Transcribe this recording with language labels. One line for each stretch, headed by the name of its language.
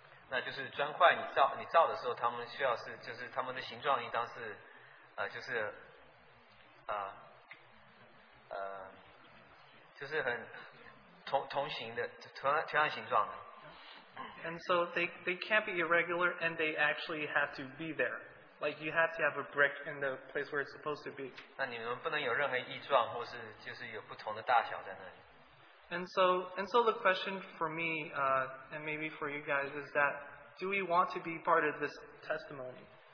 Chinese: 那就是砖块你造的时候，他们需要是就是他们的形状应当是就是很同形的同样形状的。
English: And so they can't be irregular, and they actually have to be there. Like you have to have a brick in the place where it's supposed to be.
Chinese: 那你们不能有任何异状，或是就是有不同的大小在那里。
English: And so the question for me, and maybe for you guys, is that do we want to be part of this testimony?